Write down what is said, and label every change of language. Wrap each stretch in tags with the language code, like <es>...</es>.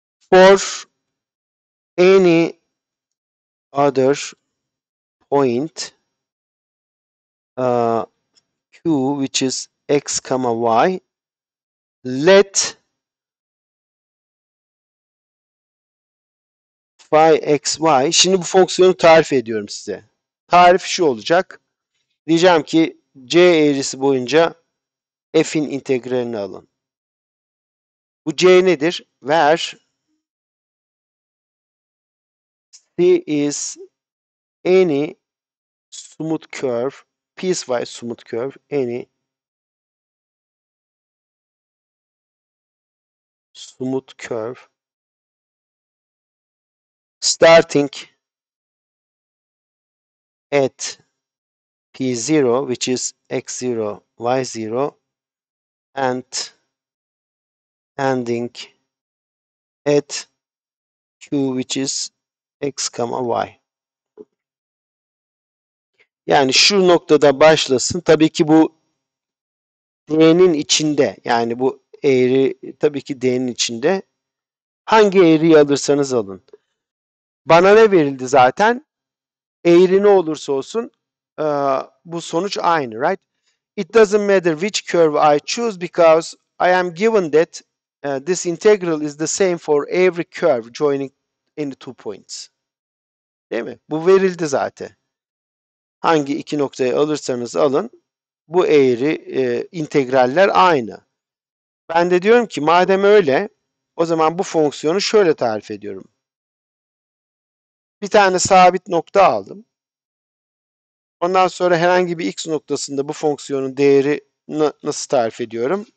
<en>For any other point q which is x comma y, let phi x y.</en> <tr>Şimdi bu fonksiyonu tarif ediyorum size. Tarif şu olacak. Diyeceğim ki c eğrisi boyunca f'in integralini alın. Bu c nedir?</tr> <en>Ver c is any smooth curve, piecewise smooth curve, any smooth curve starting at p0 which is x0 y0 and ending at q which is x comma y.</en> <tr>Yani şu noktada başlasın. Tabii ki bu d'nin içinde, yani bu eğri tabii ki d'nin içinde, hangi eğriyi alırsanız alın. Bana ne verildi zaten? Eğri ne olursa olsun bu sonuç aynı,</tr> <en>right? It doesn't matter which curve I choose because I am given that this integral is the same for every curve joining any two points.</en> <tr>Değil mi? Bu verildi zaten. Hangi iki noktayı alırsanız alın, bu eğri integraller aynı. Ben de diyorum ki madem öyle, o zaman bu fonksiyonu şöyle tarif ediyorum. Bir tane sabit nokta aldım. Ondan sonra herhangi bir x noktasında bu fonksiyonun değeri nasıl tarif ediyorum?</tr>